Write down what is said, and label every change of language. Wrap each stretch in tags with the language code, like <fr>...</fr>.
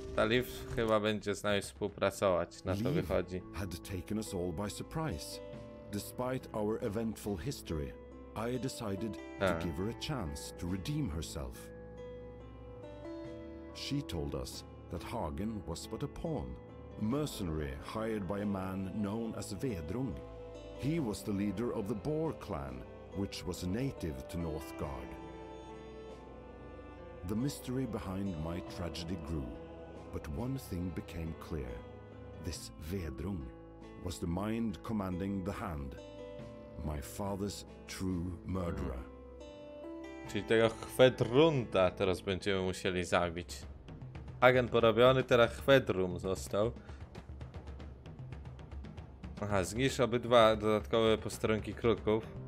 <pl>Ta Leaf chyba będzie z nami współpracować. Na to wychodzi.</pl> <en>Leaf had taken us all by surprise. Despite our eventful history. I decided to give her a chance to redeem herself. She told us that Hagen was but a pawn, a mercenary hired by a man known as Vedrung. He was the leader of the Boar clan, which was native to Northgard. The mystery behind my tragedy grew, but one thing became clear. This Vedrung was the mind commanding the hand. My father's true murderer.</en> <pl>Czyli tego Chwedrunda teraz będziemy musieli zabić. Agent porobiony, teraz Chwedrum został. Aha, zniszcz obydwa dodatkowe posterunki kruków.</pl>